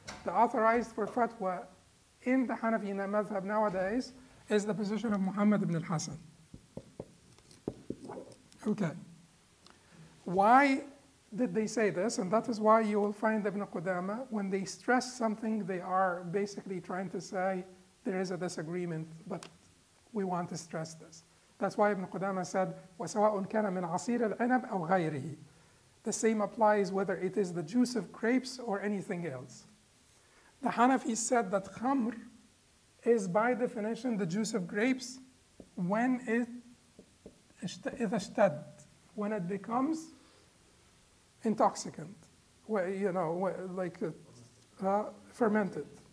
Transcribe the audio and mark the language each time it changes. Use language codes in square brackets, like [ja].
[en] The authorized for fatwa in the Hanafi madhab nowadays is the position of Muhammad ibn al-Hassan. Okay. Why did they say this? And that is why you will find Ibn Qudama, when they stress something, they are basically trying to say there is a disagreement, but we want to stress this. That's why Ibn Qudama said, [ar] وَسَوَاءٌ كَانَ مِنْ عَصِيرِ الْعِنَبْ أَوْ غَيْرِهِ. [en] The same applies whether it is the juice of grapes or anything else. The Hanafis said that khamr is by definition the juice of grapes when it is ashtad, when it becomes intoxicant, you know, like fermented.